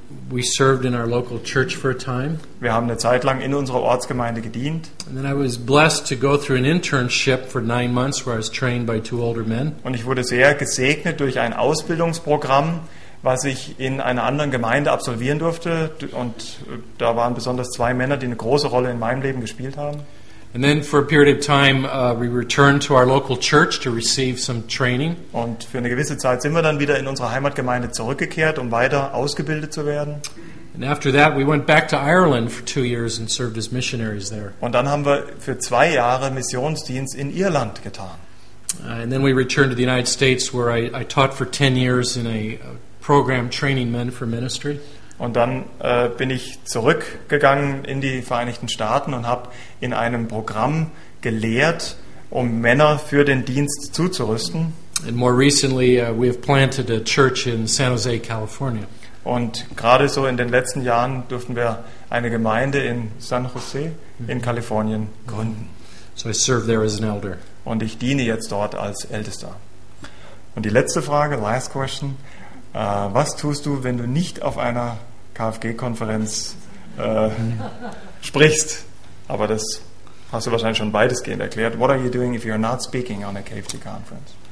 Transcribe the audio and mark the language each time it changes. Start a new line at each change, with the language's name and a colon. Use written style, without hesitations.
English: We served in our local church for a time.
German: Wir haben eine Zeit lang in unserer Ortsgemeinde gedient.
English: And then I was blessed to go through an internship for 9 months, where I was trained by 2 older men.
German: Und ich wurde sehr gesegnet durch ein Ausbildungsprogramm, was ich in einer anderen Gemeinde absolvieren durfte. Und da waren besonders 2 Männer, die eine große Rolle in meinem Leben gespielt haben.
English: And then for a period of time, we returned to our local church to receive some training.
German: Und für eine gewisse Zeit sind wir dann wieder in unsere Heimatgemeinde zurückgekehrt, um weiter ausgebildet zu werden.
English: And after that, we went back to Ireland for 2 years and served as missionaries there.
German: Und dann haben wir für 2 Jahre Missionsdienst in Irland getan.
English: And then we returned to the United States, where I taught for 10 years in a program training men for ministry.
German: Und dann bin ich zurückgegangen in die Vereinigten Staaten und habe in einem Programm gelehrt, um Männer für den Dienst zuzurüsten.
English: And more recently, we have planted a church in San Jose, California.
German: Und gerade so in den letzten Jahren durften wir eine Gemeinde in San Jose in Kalifornien gründen.
English: So I serve there as an elder.
German: Und ich diene jetzt dort als Ältester. Und die letzte Frage,
English: last question.
German: Was tust du, wenn du nicht auf einer KFG-Konferenz sprichst? Aber das hast du wahrscheinlich schon weitestgehend erklärt.
English: What are you doing if you're not speaking on a KFG conference?